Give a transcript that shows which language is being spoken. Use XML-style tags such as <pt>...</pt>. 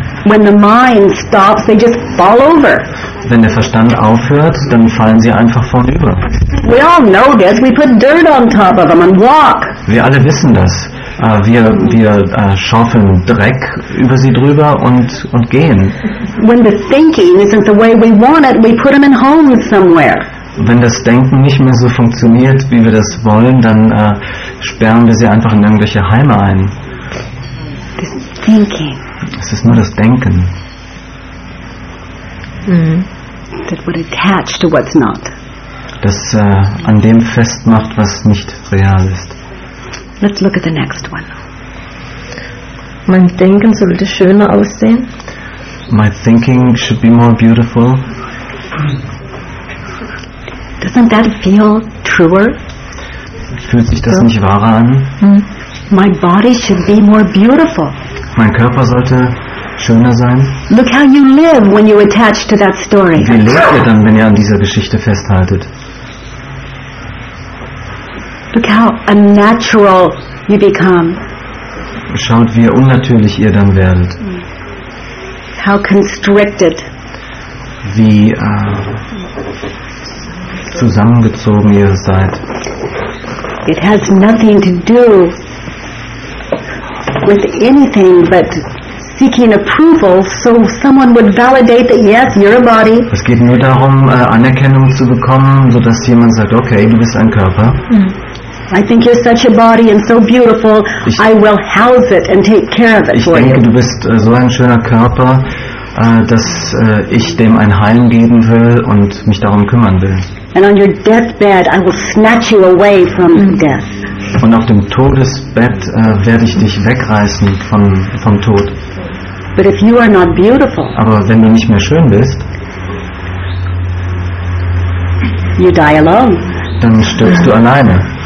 <en>When the mind stops, they just fall over.</en> <de>Wenn der Verstand aufhört, dann fallen sie einfach vornüber.</de> <en>We all know this. We put dirt on top of them and walk.</en> <de>Wir alle wissen das. Wir schaufeln Dreck über sie drüber und gehen.</de> <en>When the thinking isn't the way we want it, we put them in homes somewhere.</en> <de>Wenn das Denken nicht mehr so funktioniert, wie wir das wollen, dann sperren wir sie einfach in irgendwelche Heime ein.</de> <en>The thinking.</en> <de>Es ist nur das Denken.</de> <en>That would attach to what's not.</en> <de>Das an dem festmacht, was nicht real ist.</de> <en>Let's look at the next one.</en> <de>Mein Denken sollte schöner aussehen.</de> <en>My thinking should be more beautiful. Doesn't that feel truer?</en> <de>Fühlt sich das so nicht wahrer an?</de> <en>My body should be more beautiful.</en> <de>Mein Körper sollte schöner sein.</de> <en>Look how you live when you attach to that story.</en> <de>Wie lebt ihr dann, wenn ihr an dieser Geschichte festhaltet?</de> <en>Look how unnatural you become.</en> <de>Schaut, wie unnatürlich ihr dann werdet.</de> <en>How constricted.</en> <de>Wie zusammengezogen ihr seid.</de> <en>It has nothing to do with anything but seeking approval, so someone would validate that yes, you're a body.</en> <de>Es geht nur darum, Anerkennung zu bekommen, so dass jemand sagt, okay, du bist ein Körper.</de> <en>I think you're such a body and so beautiful. I will house it and take care of it for you.</en> <de>Ich denke, du bist so ein schöner Körper, dass ich dem ein Heim geben will und mich darum kümmern will.</de> <en>And on your deathbed, I will snatch you away from death.</en> <de>Und auf dem Todesbett werde ich dich wegreißen vom Tod.</de> <en>But if you are not beautiful,</en> <de>aber wenn du nicht mehr schön bist,</de> <en>you die alone.</en> <de>Dann stirbst du alleine.</de>